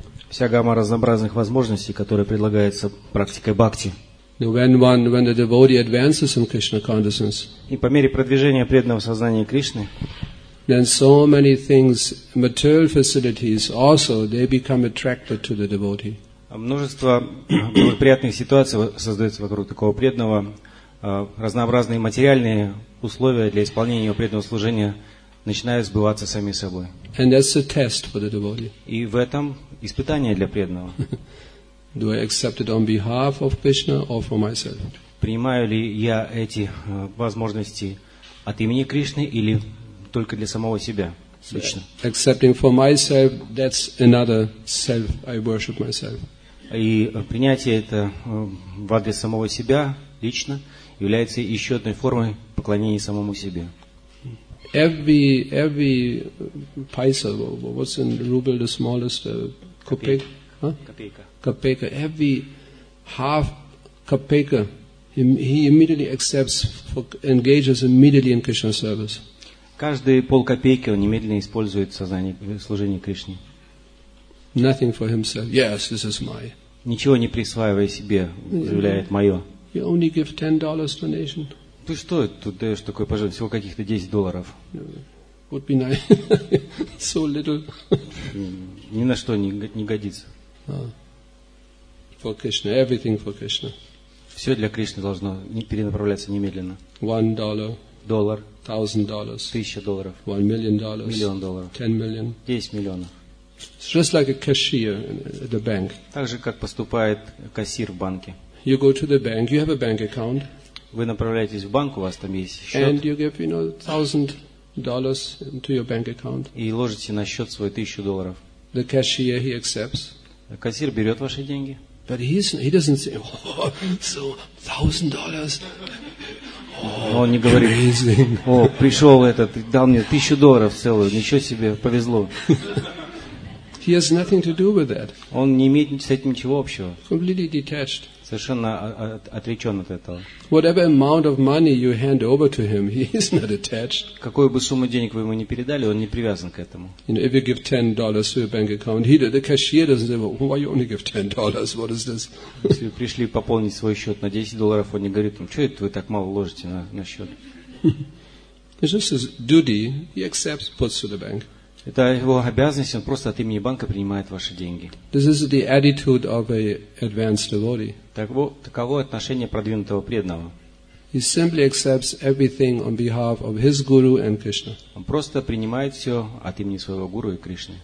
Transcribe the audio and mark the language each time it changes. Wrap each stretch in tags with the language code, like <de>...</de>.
<ru>Вся гамма разнообразных возможностей, которые предлагаются практикой бхакти.</ru> <en>When the devotee advances in Krishna consciousness.</en> <ru>И по мере продвижения преданного сознания Кришны.</ru> <en>Then so many things, material facilities also, they become attracted to the devotee.</en> <ru>Множество благоприятных ситуаций создается вокруг такого преданного. Разнообразные материальные условия для исполнения его преданного служения начинают сбываться сами собой.</ru> <en>And that's a test for the devotee.</en> <ru>И в этом испытание для преданного.</ru> <en>Do I accept it on behalf of Krishna or for myself?</en> <ru>Принимаю ли я эти возможности от имени Кришны или только для самого себя лично.</ru> <en>Accepting for myself, that's another self. I worship myself.</en> <ru>И принятие это в адрес самого себя лично является еще одной формой поклонения самому себе.</ru> <en>Every paisa, what's in the ruble, the smallest</en> <ru>копейка.</ru> <en>Копейка. Every half копейка, he immediately accepts, engages immediately in Krishna service.</en> <ru>Каждые полкопейки он немедленно использует в служении Кришне.</ru> <en>Nothing for himself. Yes, this is my.</en> <ru>Ничего не присваивая себе, заявляет мое.</ru> <en>You only give $10 donation.</en> <ru>Ты что тут даешь такое пожертвование? Всего каких-то $10.</ru> <en>Would be nice. So little.</en> <ru>Ни на что не годится.</ru> <en>For Krishna, everything for Krishna.</en> <ru>Все для Кришны должно перенаправляться немедленно.</ru> <en>$1.</en> <ru>Доллар.</ru> <en>$1,000.</en> <ru>$1,000.</ru> <en>$1,000,000.</en> <ru>$1,000,000.</ru> <en>$10,000,000.</en> <ru>$10,000,000.</ru> <en>It's just like a cashier at the bank.</en> <ru>Так же, как поступает кассир в банке.</ru> <en>You go to the bank, you have a bank account.</en> <ru>Вы направляетесь в банк, у вас там есть счет.</ru> <en>And you give, you know, $1,000 into your bank account.</en> <ru>И ложите на счет свой $1,000.</ru> <en>The cashier, he accepts.</en> <ru>Кассир берет ваши деньги.</ru> <en>But he doesn't say, oh, so $1,000.</en> <ru>Он не говорит, о, пришел этот, дал мне $1,000 целую, ничего себе, повезло.</ru> <en>He has nothing to do with that.</en> <ru>Он не имеет с этим ничего общего.</ru> <en>Completely detached.</en> <ru>Совершенно отречен от этого.</ru> <en>Whatever amount of money you hand over to him, he is not attached.</en> <ru>Какую бы сумму денег вы ему не передали, он не привязан к этому.</ru> <en>You know, if you give $10 to your bank account, the cashier doesn't say, well, why you only give $10? What is this?</en> <ru>Если вы пришли пополнить свой счет на $10, он не говорит, что это вы так мало ложите на счет?</ru> <en>It's just his duty. He accepts, puts to the bank.</en> <ru>Это его обязанность, он просто от имени банка принимает ваши деньги.</ru> <en>This is the attitude of an advanced devotee.</en> <ru>Таково отношение продвинутого преданного.</ru> <en>He simply accepts everything on behalf of his guru and Krishna.</en> <ru>Он просто принимает все от имени своего гуру и Кришны.</ru>